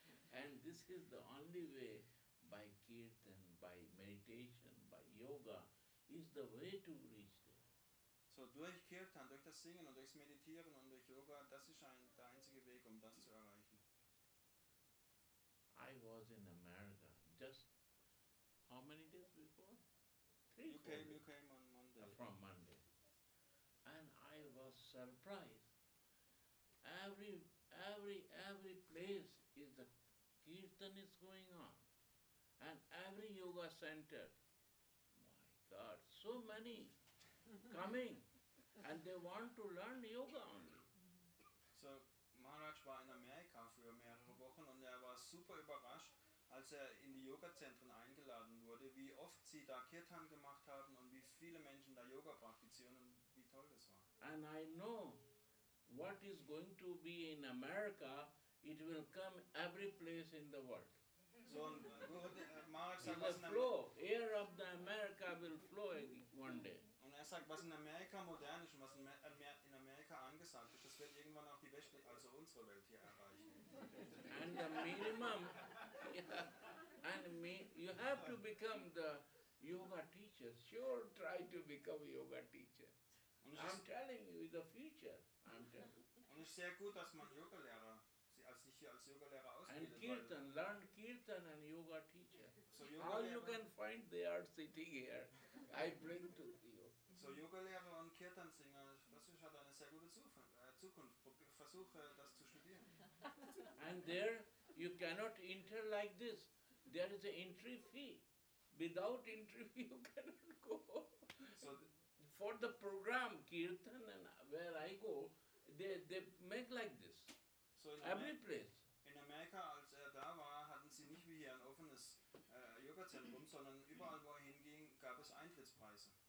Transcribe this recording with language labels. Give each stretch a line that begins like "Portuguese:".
English: And this is the only way, by kirtan, by meditation, by yoga, is the way to reach there.
German: So durch kirtan, durch das Singen und durchs Meditieren und durch Yoga, das ist der einzige Weg, um das zu erreichen.
English: I was in America just how many days before? Three. You came on Monday. From Monday, and I was surprised. Every place is the kirtan is going on, and every yoga center, my God, so many coming, and they want to learn yoga only.
German: So Maharaj war in Amerika für mehrere Wochen und er war super überrascht, als er in die Yoga-Zentren eingeladen wurde, wie oft sie da Kirtan gemacht haben und wie viele Menschen da Yoga praktizieren und wie toll das war.
English: And I know what is going to be in America. It will come every place in the world.
German: So, Maharaj sagt,
English: air of the America will flow one day.
German: Und er sagt, was in Amerika modern ist und was in Amerika angesagt ist, das wird irgendwann auch die Welt, also unsere Welt hier erreichen.
English: And the minimum, you have to become the yoga teacher. Sure, try to become yoga teacher. I'm telling you, the future.
German: Und es ist sehr gut, dass man Yoga-Lehrer als Yoga-Lehrer ausbildet.
English: And kirtan, learn kirtan and yoga teacher. How you can find they are sitting here, I bring to you.
German: So Yoga-Lehrer und Kirtan-Singer, das ist eine sehr gute Zukunft. Versuche das zu studieren.
English: And there, you cannot enter like this. There is an entry fee. Without entry fee, you cannot go. So for the program, kirtan, and where I go, they make like this. So every place.
German: In Amerika, als er da war, hatten sie nicht wie hier ein offenes Yoga-Zentrum, sondern überall, wo er hinging, gab es Eintrittspreise.